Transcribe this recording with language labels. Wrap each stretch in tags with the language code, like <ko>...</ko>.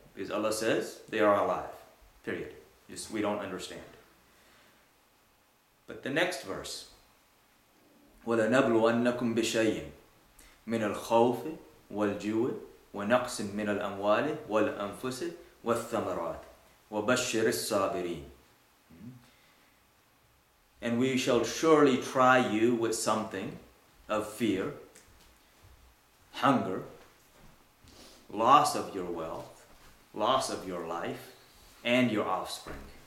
<en>Because Allah says they are alive, period. Just, we don't understand. But the next verse,</en> <ar>وَلَنَبْلُوَنَّكُمْ بِشَيْءٍ مِنَ الْخَوْفِ وَالْجُوعِ وَنَقْسٍ مِنَ الْأَمْوَالِ وَالْأَنفُسِ وَالثَّمَرَاتِ وَبَشِّرِ الصَّابِرِينَ.</ar> <en>And we shall surely try you with something of fear, hunger, loss of your wealth, loss of your life, and your offspring.</en>